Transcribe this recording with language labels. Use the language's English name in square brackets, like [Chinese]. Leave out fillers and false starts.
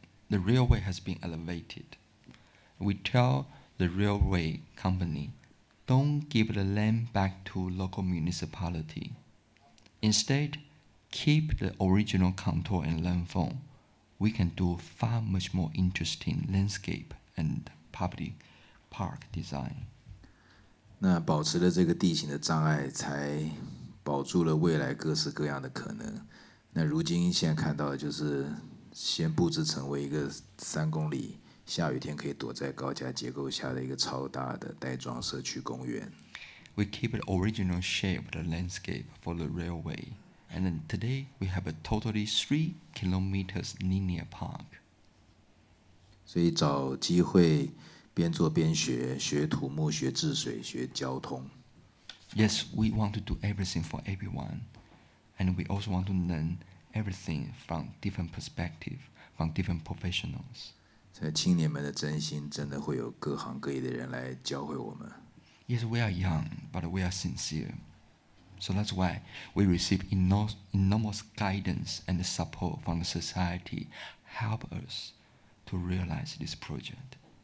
[English] The railway has been elevated. We tell the railway company, don't give the land back to local municipality. Instead, keep the original contour and landform. We can do far much more interesting landscape and public park design. [Chinese] 那保持了这个地形的障碍，才保住了未来各式各样的可能。那如今现在看到的就是先布置成为一个三公里下雨天可以躲在高架结构下的一个超大的带状社区公园。 [English] We keep the original shape of the landscape for the railway, and then today we have a totally 3 kilometers linear park. [Chinese] 所以找机会边做边学，学土木，学治水，学交通。 [English] Yes, we want to do everything for everyone, and we also want to learn. Everything from different perspective, from different professionals. [Chinese] 在青年们的真心，真的会有各行各业的人来教会我们。 [English] Yes, we are young, but we are sincere. So that's why we receive enormous guidance and support from the society, help us to realize this project.